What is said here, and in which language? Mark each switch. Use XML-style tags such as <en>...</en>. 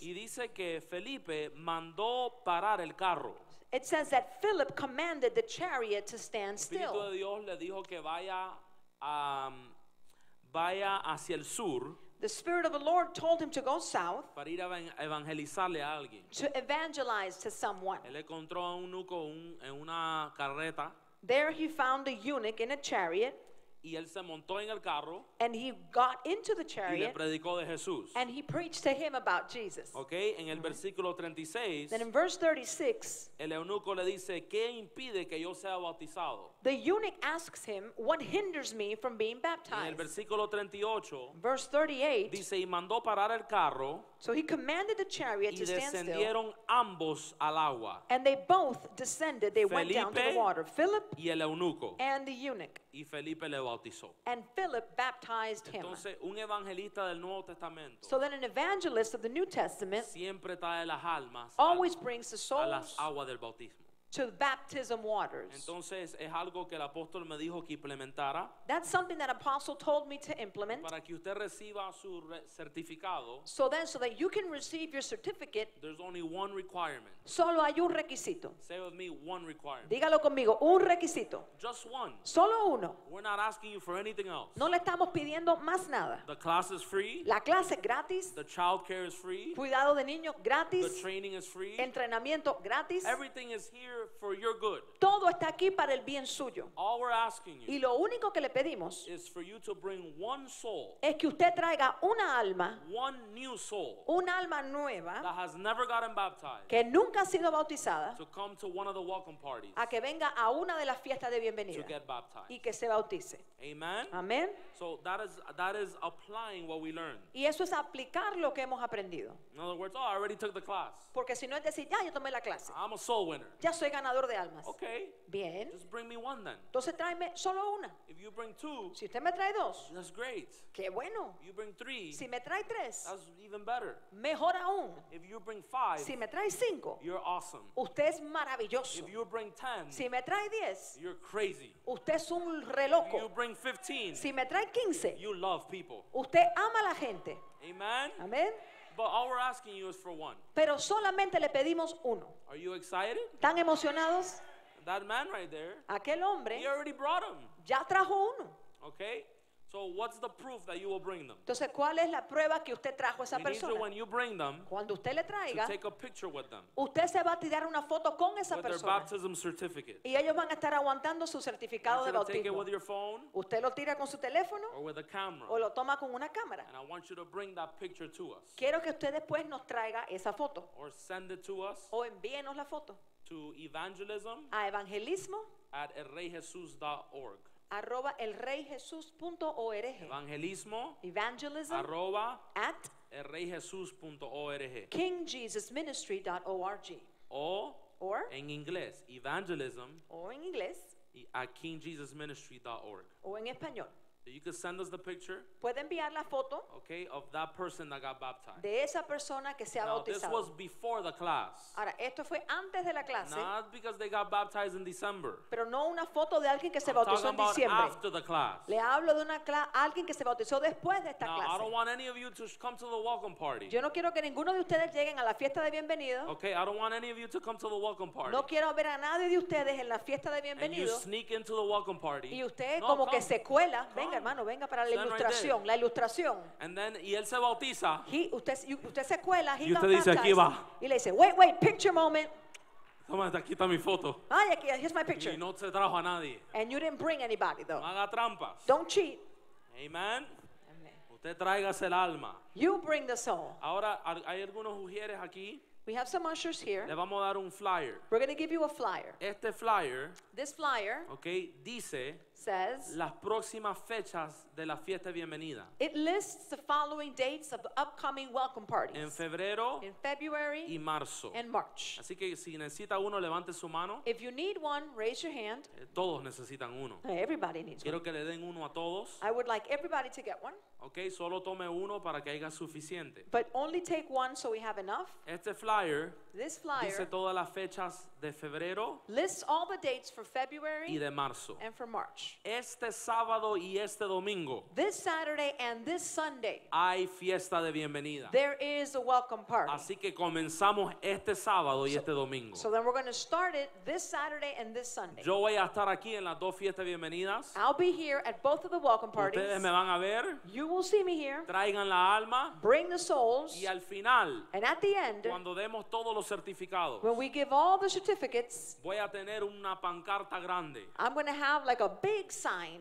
<es>Y dice que Felipe mandó parar el carro.</es> <en>It says that Philip commanded the chariot to stand still.</en> <es>El Espíritu de Dios le dijo que vaya vaya hacia el sur.</es> <en>The Spirit of the Lord told him to go south.</en> <es>Para ir a evangelizarle a alguien.</es> <en>To evangelize to someone.</en> <es>Él encontró a un eunuco en una carreta.</es> <en>There he found a eunuch in a chariot.</en> <es>Y él se montó en el carro.</es> <en>And he got into the chariot.</en> <es>Y le predicó de Jesús.</es> <en>And he preached to him about Jesus.</en> <es>Okay, en el versículo 36.</es> <en>Then in verse 36.</en> <es>El eunuco le dice, ¿qué impide que yo sea bautizado?</es> <en>The eunuch asks him, what hinders me from being baptized?</en> <es>En el versículo 38.</es> <en>Verse 38.</en> <es>Dice, y mandó parar el carro.</es> <en>So he commanded the chariot to stand still.</en> <es>Y descendieron ambos al agua.</es> <en>And they both descended. They went down to the water.</en> <es>Philip. Y el eunuco.</es> <en>And the eunuch.</en> <es>Y Felipe le bautizó.</es> <en>And Philip baptized him.</en> <es>Entonces, un evangelista del Nuevo Testamento.</es> <en>So then an evangelist of the New Testament.</en> <es>Siempre trae las almas.</es> <en>Always brings the souls.</en> <es>A las aguas del bautismo.</es> <en>To the baptism waters.</en> <es>Entonces, es algo que el apóstol me dijo que implementara.</es> <en>That's something that apostle told me to implement.</en> <es>Para que usted reciba su certificado.</es> <en>So then, so that you can receive your certificate. There's only one requirement.</en> <es>Solo hay un requisito.</es> <en>Say with me, one requirement.</en> <es>Dígalo conmigo, un requisito.</es> <en>Just one.</en> <es>Solo uno.</es> <en>We're not asking you for anything else.</en> <es>No le estamos pidiendo más nada.</es> <en>The class is free.</en> <es>La clase es gratis.</es> <en>The child care is free.</en> <es>Cuidado de niños gratis.</es> <en>The training is free.</en> <es>Entrenamiento gratis.</es> <en>Everything is here for your good.</en> <es>Todo está aquí para el bien suyo.</es> <en>All we're asking you.</en> <es>Y lo único que le pedimos</es> <en>is for you to bring one soul.</en> <es>Es que usted traiga una alma.</es> <en>One new soul.</en> <es>Un alma nueva.</es> <en>That has never gotten baptized.</en> <es>Que nunca ha sido bautizada.</es> <en>To come to one of the welcome parties.</en> <es>A que venga a una de las fiestas de bienvenida.</es> <en>To get baptized.</en> <es>Y que se bautice.</es> <en>Amen.</en> <es>Amen.</es> <en>So that is applying what we learned.</en> <es>Y eso es aplicar lo que hemos aprendido.</es> <en>In other words, oh, I already took the class.</en> <es>Porque si no es decir, ya yo tomé la clase.</es> <en>I'm a soul winner.</en> <es>Ya soy ganador de almas.</es> <en>Okay.</en> <es>Bien.</es> <en>Just bring me one then.</en> <es>Entonces tráeme solo una.</es> <en>If you bring two,</en> <es>si usted me trae dos.</es> <en>That's great.</en> <es>Qué bueno.</es> <en>You bring three,</en> <es>si me trae tres.</es> <en>That's even better.</en> <es>Mejor aún.</es> <en>If you bring five,</en> <es>si me trae cinco.</es> <en>You're awesome.</en> <es>Usted es maravilloso.</es> <en>If you bring ten,</en> <es>si me trae diez.</es> <en>You're crazy.</en> <es>Usted es un reloco.</es> <en>If you bring 15,</en> <es>si me trae 15.</es> <en>You love people.</en> <es>Usted ama a la gente.</es> <en>Amen.</en> <es>Amen.</es> <en>But all we're asking you is for one.</en> <es>Pero solamente le pedimos uno.</es> <en>Are you excited?</en> <es>¿Están emocionados?</es> <en>That man right there.</en> <es>Aquel hombre.</es> <en>He already brought him.</en> <es>Ya trajo uno.</es> <en>Okay. So what's the proof that you will bring them?</en> <es>Entonces, ¿cuál es la prueba que usted trajo a esa persona?</es> <en>You need to, when you bring them,</en> <es>cuando usted le traiga,</es> <en>to take a picture with them.</en> <es>Usted se va a tirar una foto con esa</es> <en>with</en> <es>persona.</es> <en>Their baptism certificate.</en> <es>Y ellos van a estar aguantando su certificado de bautismo.</es> <en>Take it with your phone,</en> <es>usted lo tira con su teléfono.</es> <en>Or with a camera.</en> <es>O lo toma con una cámara.</es> <en>And I want you to bring that picture to us.</en> <es>Quiero que usted después nos traiga esa foto.</es> <en>Or send it to us.</en> <es>O envíenos la foto.</es> <en>To evangelism.</en> <es>A evangelismo.</es> <en>At elreyjesus.org.</en> <es>Arroba elreyjesus.org. Evangelismo.</es> <en>Evangelism.</en> <es>Arroba.</es> <en>At. Elreyjesus.org. KingJesusMinistry.org.</en> <es>O.</es> <en>Or.</en> <es>En inglés. Evangelism. O en inglés.</es> <en>At KingJesusMinistry.org.</en> <es>O en español.</es> <en>You can send us the picture.</en> <es>Puede enviar la foto.</es> <en>Okay, of that person that got baptized.</en> <es>De esa persona que se ha bautizado.</es> <en>Now, this was before the class.</en> <es>Ahora, esto fue antes de la clase.</es> <en>Not because they got baptized in December.</en> <es>Pero no una foto de alguien que se</es> <en>I'm</en> <es>bautizó en diciembre.</es> <en>Talking about after the class.</en> <es>Le hablo de una alguien que se bautizó después de esta</es> <en>Now,</en> <es>clase.</es> <en>Now, I don't want any of you to come to the welcome party.</en> <es>Yo no quiero que ninguno de ustedes lleguen a la fiesta de bienvenida.</es> <en>Okay, I don't want any of you to come to the welcome party.</en> <es>No quiero ver a nadie de ustedes en la fiesta de bienvenida.</es> <en>And you sneak into the welcome party.</en> <es>Y usted no, como</es> <en>come.</en> <es>Que se cuela. Hermano, venga para la ilustración,</es> <en>right,</en> <es>la ilustración.</es> <en>And then,</en> <es>y él se bautiza. Usted se cuela. Y usted dice, aquí va. Y le dice,</es> <en>wait, picture moment.</en> <es>Toma, aquí está mi foto. Ay, aquí,</es> <en>here's my picture.</en> <es>Y no se trajo a nadie.</es> <en>And you didn't bring anybody, though.</en> <es>No haga trampas.</es> <en>Don't cheat.</en> <es>Amen. Usted tráigase el alma.</es> <en>You bring the soul.</en> <es>Ahora, hay algunos ujieres aquí.</es> <en>We have some ushers here.</en> <es>Le vamos a dar un flyer.</es> <en>We're going to give you a flyer.</en> <es>Este flyer.</es> <en>This flyer.</en> <es>Okay, dice.</es> <en>says,</en> <es>las próximas fechas de la fiesta de bienvenida.</es> <en>It lists the following dates of the upcoming welcome parties.</en> <es>En febrero,</es> <en>in February,</en> <es>y marzo.</es> <en>And March.</en> <es>Así que si necesita uno, levante su mano.</es> <en>If you need one, raise your hand.</en> <es>Todos necesitan uno.</es> <en>Everybody needs</en> <es>Quiero</es> <en>one.</en> <es>Que le den uno a todos.</es> <en>I would like everybody to get one.</en> <es>Okay, solo tome uno para que haya suficiente.</es> <en>But only take one so we have enough.</en> <es>Este flyer,</es> <en>this flyer</en> <es>dice todas las fechas de febrero,</es> <en>lists all the dates for February</en> <es>y de marzo.</es> <en>And for March.</en> <es>Este sábado y este domingo,</es> <en>this Saturday and this Sunday,</en> <es>hay fiesta de bienvenida.</es> <en>There is a welcome party.</en> <es>Así que comenzamos este sábado y este domingo.</es> <en>So then we're going to start it this Saturday and this Sunday.</en> <es>Yo voy a estar aquí en las dos fiestas bienvenidas.</es> <en>I'll be here at both of the welcome parties.</en> <es>Ustedes me van a ver.</es> <en>You will see me here.</en> <es>Traigan la alma.</es> <en>Bring the souls.</en> <es>Y al final,</es> <en>and at the end,</en> <es>cuando demos todos los certificados,</es> <en>when we give all the certificates,</en> <es>voy a tener una pancarta grande.</es> <en>I'm going to have like a big sign</en>